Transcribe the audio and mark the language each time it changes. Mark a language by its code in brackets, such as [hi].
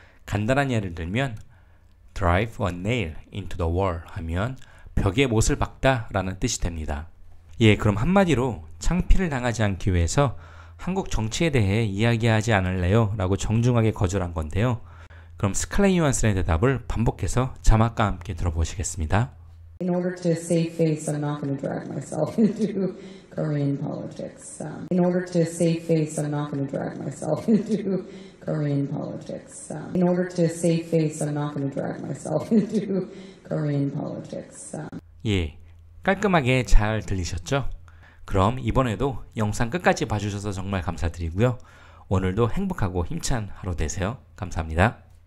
[ko] 간단한 예를 들면, [en] drive a nail into the wall [ko] 하면 벽에 못을 박다라는 뜻이 됩니다. 예, 그럼 한마디로 창피를 당하지 않기 위해서 한국 정치에 대해 이야기하지 않을래요? 라고 정중하게 거절한 건데요. 그럼 스칼렛 요한슨의 대답을 반복해서 자막과 함께 들어보시겠습니다. [en] In order to save face, I'm not going to drag myself into Korean politics. In order to save face, I'm not going to drag myself into Korean politics. In order to save face, I'm not going to drag myself into Korean politics. [ko] 예, 깔끔하게 잘 들리셨죠? 그럼 이번에도 영상 끝까지 봐주셔서 정말 감사드리고요. 오늘도 행복하고 힘찬 하루 되세요. 감사합니다.